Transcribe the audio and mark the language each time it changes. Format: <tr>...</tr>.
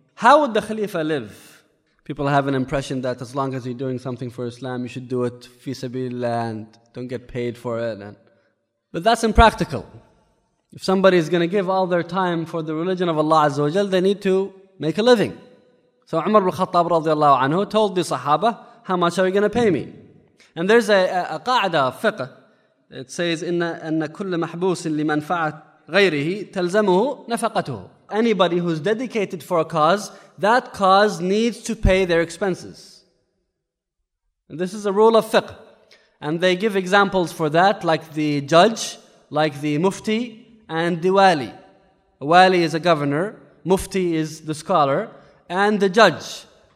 <en>How would the Khalifa live? People have an impression that as long as you're doing something for Islam, you should do it fi sabilillah and don't get paid for it. But that's impractical. If somebody is going to give all their time for the religion of Allah Azza wa Jal, they need to make a living. So Umar ibn al-Khattab radiallahu anhu told the Sahaba, how much are you going to pay me? And there's a qa'da of fiqh. It says,</en> <ar>إِنَّ كُلَّ مَحْبُوسٍ لِمَنْفَعَةٍ غيره تلزمه نفقته.</ar> <en>Anybody who's dedicated for a cause, that cause needs to pay their expenses. This is a rule of fiqh. And they give examples for that, like the judge, like the mufti, and the wali. A wali is a governor, mufti is the scholar, and the judge.</en>